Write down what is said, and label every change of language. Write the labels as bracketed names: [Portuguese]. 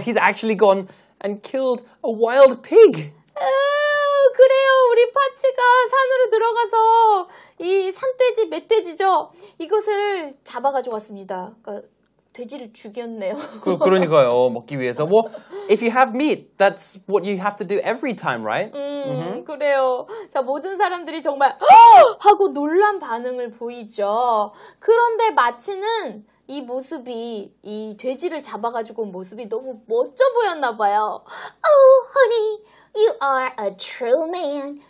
[English] He's actually gone and killed a wild pig. [Korean] 그래요. 우리 파츠가 산으로 들어가서 이 산돼지, 멧돼지죠. 이것을 잡아가지고 왔습니다. 그러니까 돼지를 죽였네요. 그러니까요. 먹기 위해서. [English] Well, if you have meat, that's what you have to do every time, right? [Korean] 그래요. 자, 모든 사람들이 정말 하고 놀란 반응을 보이죠. 그런데 마치는 이 모습이 이 돼지를 잡아가지고 온 모습이 너무 멋져 보였나 봐요. [English] Oh, honey, you are a true man.